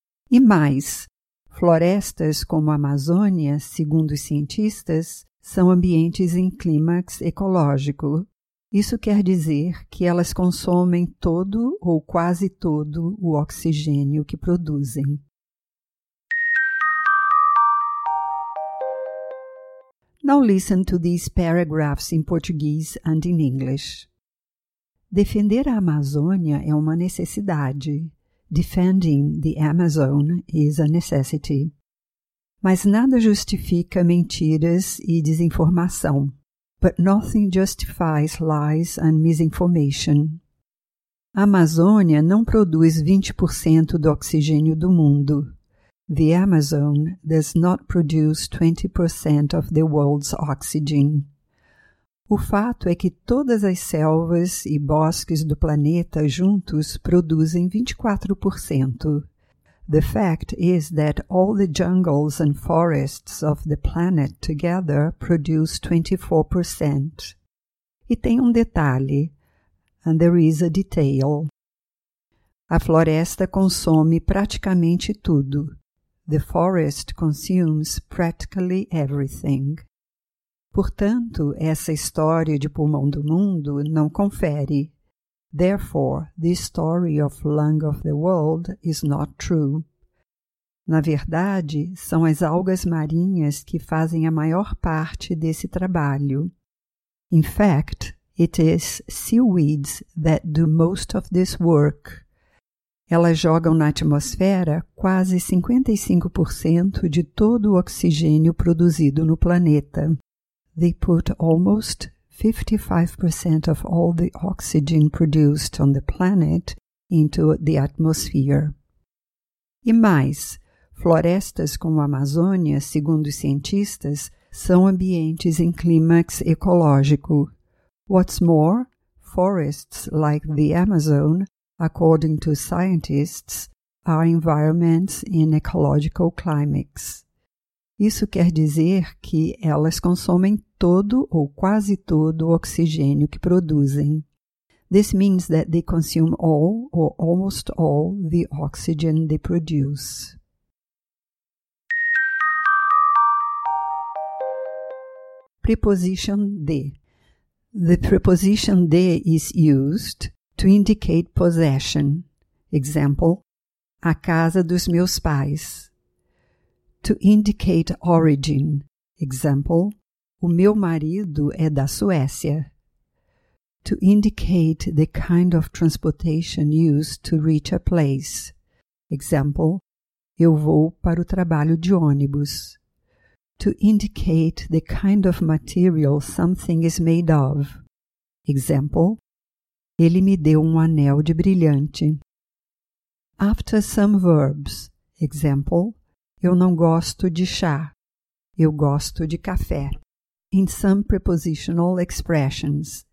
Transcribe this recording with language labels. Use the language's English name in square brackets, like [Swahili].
[Portuguese] E mais, florestas como a Amazônia, segundo os cientistas, são ambientes em clímax ecológico. Isso quer dizer que elas consomem todo ou quase todo o oxigênio que produzem. [English] Now listen to these paragraphs in Portuguese and in English. [Portuguese] Defender a Amazônia é uma necessidade. [English] Defending the Amazon is a necessity. [Portuguese] Mas nada justifica mentiras e desinformação. [English] But nothing justifies lies and misinformation. [Portuguese] A Amazônia não produz 20% do oxigênio do mundo. [English] The Amazon does not produce 20% of the world's oxygen. [Portuguese] O fato é que todas as selvas e bosques do planeta juntos produzem 24%. [English] The fact is that all the jungles and forests of the planet together produce 24%. [Portuguese] E tem um detalhe. [English] And there is a detail. [Portuguese] A floresta consome praticamente tudo. [English] The forest consumes practically everything. [Portuguese] Portanto, essa história de pulmão do mundo não confere. [English] Therefore, this story of lung of the world is not true. [Portuguese] Na verdade, são as algas marinhas que fazem a maior parte desse trabalho. [English] In fact, it is seaweeds that do most of this work. [Portuguese] Elas jogam na atmosfera quase 55% de todo o oxigênio produzido no planeta. [English] They put almost 55% of all the oxygen produced on the planet into the atmosphere. [Portuguese] E mais, florestas como a Amazônia, segundo os cientistas, são ambientes em clímax ecológico. [English] What's more, forests like the Amazon, according to scientists, are environments in ecological climax. [Portuguese] Isso quer dizer que elas consomem todo ou quase todo o oxigênio que produzem. [English] This means that they consume all or almost all the oxygen they produce. Preposition de. The preposition de is used to indicate possession. Example, [Portuguese] a casa dos meus pais. [English] To indicate origin. Example, [Portuguese] o meu marido é da Suécia. [English] To indicate the kind of transportation used to reach a place. Example, [Portuguese] eu vou para o trabalho de ônibus. [English] To indicate the kind of material something is made of. Example, [Portuguese] ele me deu um anel de brilhante. [English] After some verbs. Example, [Portuguese] eu não gosto de chá. Eu gosto de café. [English] In some prepositional expressions.